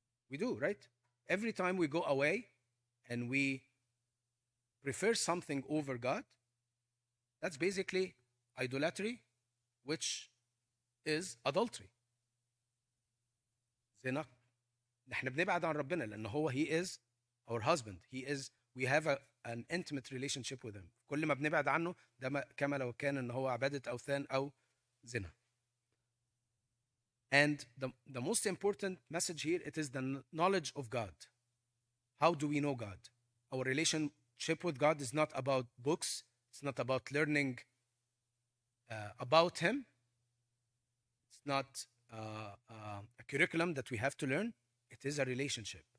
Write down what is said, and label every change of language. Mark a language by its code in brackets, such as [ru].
[en] We do, right? Every time we go away and we prefer something over God, that's basically idolatry, which is adultery. [ar] زنا، نحن بنبعد عن ربنا لأنه هو [en] he is our husband. He is, we have a, an intimate relationship with him. [ar] كل ما بنبعد عنه ده كما لو كان أنه هو عبادة أوثان أو زنا. [en] And the most important message here, it is the knowledge of God. How do we know God? Our relationship with God is not about books. It's not about learning about him. It's not a curriculum that we have to learn. It is a relationship.